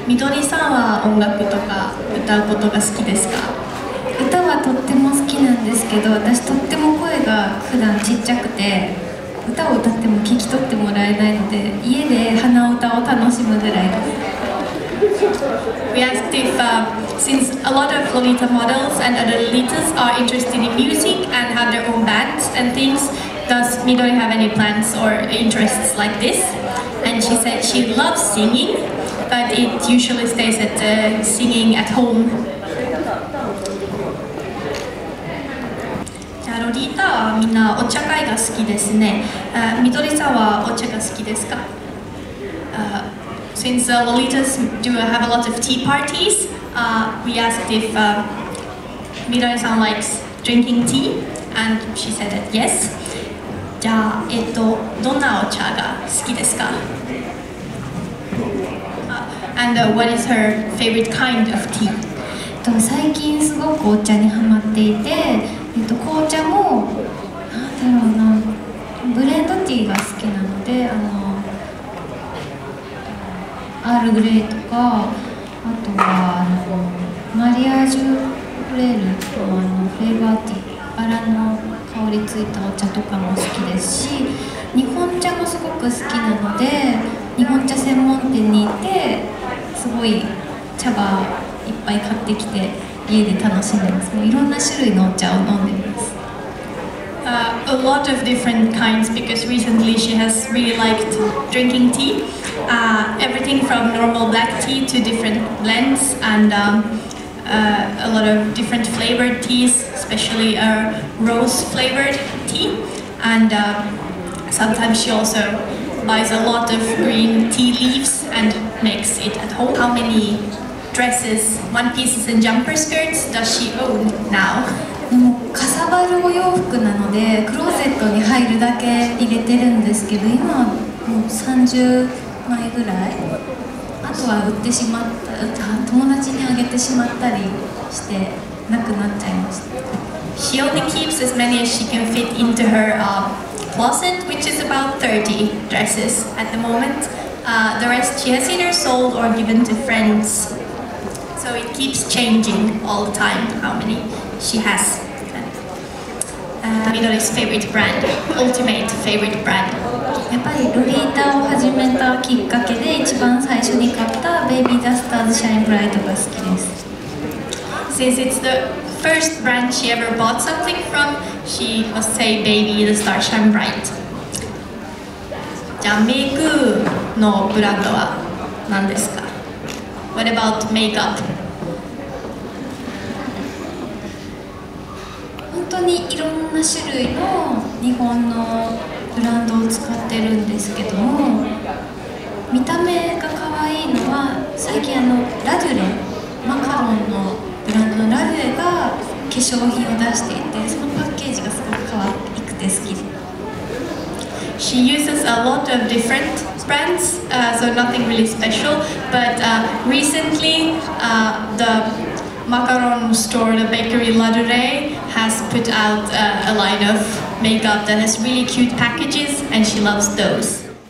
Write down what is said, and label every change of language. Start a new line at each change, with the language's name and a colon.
Japanese: みどりさんは音楽とか歌うことが好きですか？歌はとっても好きなんですけど、私とっても声が普段ちっちゃくて、歌を歌っても聞き取ってもらえないので、家で鼻歌を楽しむぐらいです。
English: We asked if, since a lot of Lolita models and other Lolitas are interested in music and have their own bands and things, does Midori have any plans or interests like this? And she said she loves singing, but it usually stays at singing at home.
Japanese: ロリータはみんなお茶会が好きですね。みどりさんはお茶が好きですか？
English: Since Lolitas do have a lot of tea parties, we asked if Midori-san likes drinking tea, and she said that yes.
Japanese: じゃあ、どんなお茶が好きですか？
English: And what is her favorite kind of tea?
Japanese: 最近すごくお茶にハマっていて、紅茶も、なんだろうな、ブレンドティーが好きなので、アールグレイとか、あとはマリアージュレールとかのフレーバーティー、バラの香りついたお茶とかも好きですし、日本茶もすごく好きなので、日本茶専門店に行って、すごい茶葉いっぱい買ってきて、家で楽しんでます。いろんな種類のお茶を飲んでます。
English: A lot of different kinds, because recently she has really liked drinking tea. Everything from normal black tea to different blends and a lot of different flavored teas, especially a rose flavored tea. And sometimes she also buys a lot of green tea leaves and makes it at home. How many dresses, one pieces and jumper skirts does she own now?
Japanese: でもかさばるお洋服なのでクローゼットに入るだけ入れてるんですけど、今はもう30枚ぐらい、あとは売ってしまった、友達にあげてしまったりしてなくなっちゃいました。
English: She only keeps as many as she can fit into her closet, which is about 30 dresses at the moment. The rest she has either sold or given to friends, so it keeps changing all the time how manyShe has Midori's favorite brand, ultimate favorite brand.
Japanese: やっぱりロリータを始めたきっかけで一番最初に買ったベイビーダスターズシャインブライトが好きです。
English: Since it's the first brand she ever bought something from, she must say Baby the Star Shine Bright.
Japanese: じゃあメイクのブランドは何ですか？
English: What about makeup?
Japanese: 本当にいろんな種類の日本のブランドを使ってるんですけども、見た目が可愛いのは最近ラデュレ、マカロンのブランドのラデュレが化粧品を出していて、そのパッケージがすごく可愛くて好きで。
English: She uses a lot of different brands, so nothing really special, but recently the macaron store, the bakery Ladure,has put out a line of makeup that has really cute packages, and she loves those.